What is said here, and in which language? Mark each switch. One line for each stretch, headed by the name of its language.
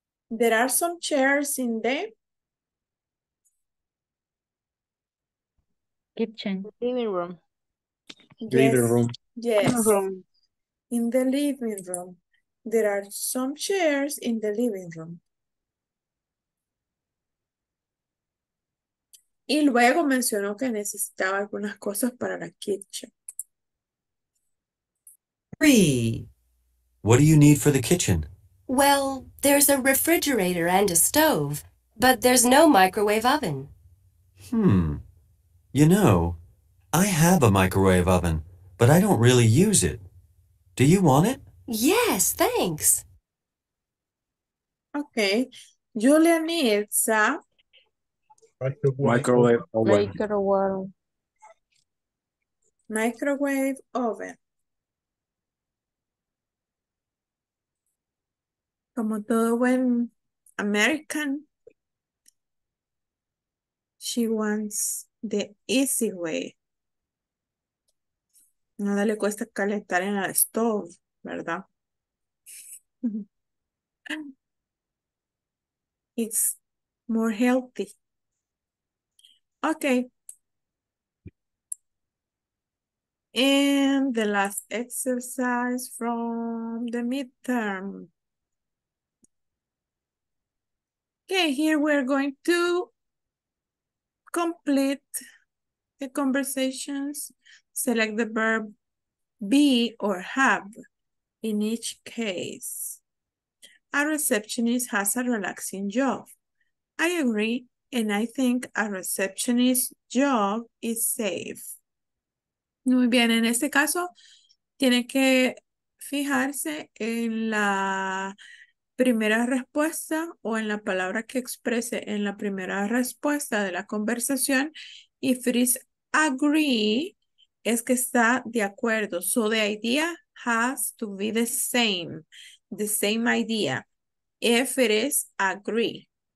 English: There are some chairs in the kitchen. Living room. Yes. Living room. Yes. In the living room. There are some chairs in the living room.
Spanish: Y luego mencionó que necesitaba algunas cosas para la kitchen.
English: Three. What do you need for the kitchen? Well, there's a refrigerator and a stove, but there's no microwave oven. Hmm. You know, I have a microwave oven, but I don't really use it. Do you want it? Yes, thanks. Okay. Julia needs a microwave oven. Microwave oven.
Spanish: Como todo buen
English: American, she wants the easy way.
Spanish: Nada le cuesta calentar en la stove, ¿verdad?
English: It's more healthy. Okay. And the last exercise from the midterm. Okay, here we're going to complete the conversations. Select the verb be or have in each case. A receptionist has a relaxing job. I agree, and I think a receptionist's job is safe.
Spanish: Muy bien, en este caso, tiene que fijarse en la primera respuesta o en la palabra que exprese en la primera respuesta de la conversación.
English: If it is agree,
Spanish: es que está de acuerdo.
English: So the idea has to be the same idea, if it is agree.